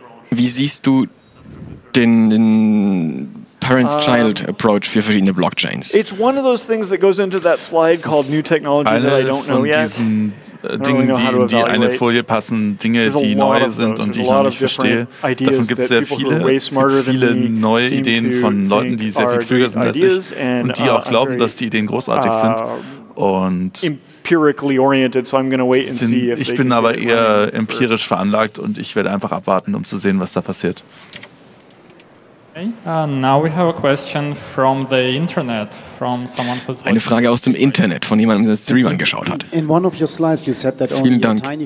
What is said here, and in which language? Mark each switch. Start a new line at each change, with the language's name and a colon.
German: Wie siehst du den Parent-Child Approach für verschiedene Blockchains?
English: It's one of those things that goes into that slide called new technology that I don't know yet.
German: Eine von Dingen, die in die eine Folie passen, Dinge, die neu sind und die ich noch nicht verstehe. Davon gibt es sehr viele. Es gibt viele neue Ideen von Leuten, die sehr viel klüger sind als ich und die auch glauben, dass die Ideen großartig sind. Und
English: empirically oriented, so I'm going to wait and see.
German: Ich bin aber eher empirisch veranlagt und ich werde einfach abwarten, um zu sehen, was da passiert.
English: Okay. Now we have a question from the internet, from someone who's
German: eine Frage aus dem Internet von jemandem, der Stream angeschaut hat. Vielen Dank.